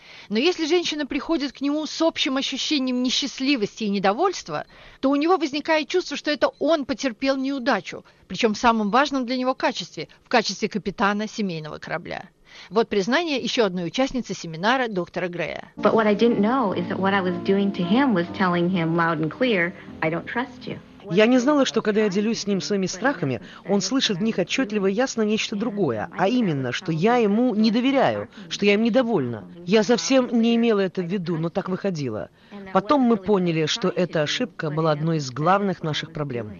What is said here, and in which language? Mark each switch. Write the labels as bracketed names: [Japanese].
[Russian] Но если женщина приходит к нему с общим ощущением несчастливости и недовольства, то у него возникает чувство, что это он потерпел неудачу, причем в самом важном для него качестве, в качестве капитана семейного корабля. Вот признание еще одной участницы семинара доктора Грея. [English] But what I didn't know is that what I was doing to him was telling him loud and clear, I don't trust you. [Russian] Я не знала, что когда я делюсь с ним своими страхами, он слышит в них отчетливо и ясно нечто другое, а именно, что я ему не доверяю, что я им недовольна. Я совсем не имела это в виду, но так выходило. Потом мы поняли, что эта ошибка была одной из главных наших проблем.